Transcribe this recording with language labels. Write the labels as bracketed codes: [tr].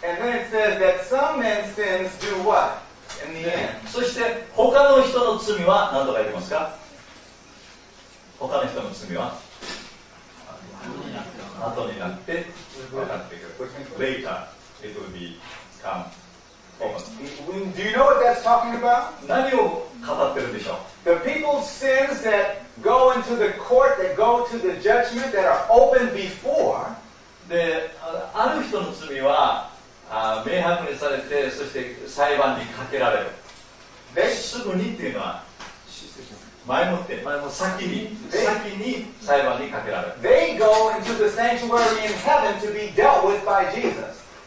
[en] And then it says that some men's sins do what? In the end. [ja] そして、他の人の罪は何とか言ってますか。他の人の罪は後になって分かってくる。 [en] Later, it will become common. Do you know what that's talking about? 何を語ってるんでしょう。 The people's sins that go into the court, that go to the judgment, that are open before. [ja] で、ある人の罪は明白にされて、そして裁判にかけられる。すぐにっていうのは。前もって、前も先に、先に裁判にかけられる。 [en] They go into the sanctuary in heaven to be dealt with by Jesus.